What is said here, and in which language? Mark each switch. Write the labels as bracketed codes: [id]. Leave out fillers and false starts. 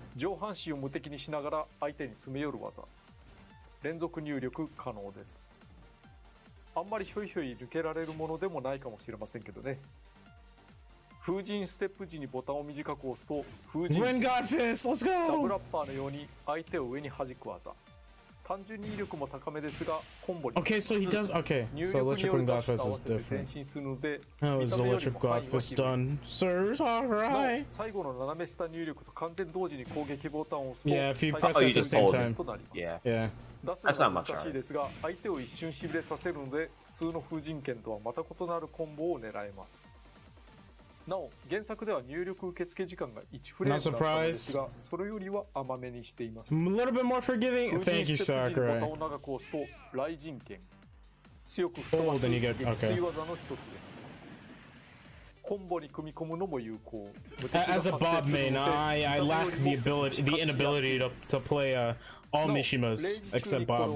[ja] 上半身を無敵にしながら相手に詰め寄る技、連続入力可能です。あんまりひょいひょい抜けられるものでもないかもしれませんけどね。風神ステップ時にボタンを短く押すと風神ダブルラッパーのように相手を上に弾く技。単純に威力も高めですが、コンボに [en] OK, so he does OK, so electric ring god fist is different. That was electric god fist done, sir. Alright. [ja] 最後の斜め下入力と完全同時に攻撃ボタンを押すと、 [en] yeah, if you press at the same time. Yeah, that's not much harder. [ja] ですが、相手を一瞬しびれさせるので普通の風神拳とはまた異なるコンボを狙えます。なお原作では入力受付時間が1フレームだったのですが、それよりは甘めにしています。 [en] A little bit more forgiving. Thank you, Sakurai. [ja] ボタンを長く押すと雷神拳、強く吹っ飛ばす撃墜技の一つです。コンボに組み込むのも有効。 [en] As a Bob main, I lack the ability, the inability to play all Mishimas except Bob.